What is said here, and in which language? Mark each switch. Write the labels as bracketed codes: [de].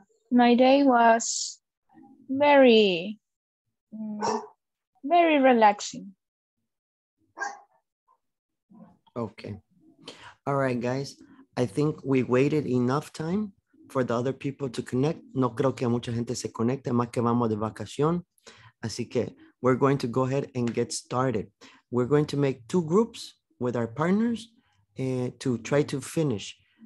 [en] My day was very, very relaxing. Okay. All right, guys. I think we waited enough time for the other people to connect. [es] No creo que mucha gente se conecte, más que vamos de vacación. [en] Así que we're going to go ahead and get started. We're going to make two groups with our partners to try to finish.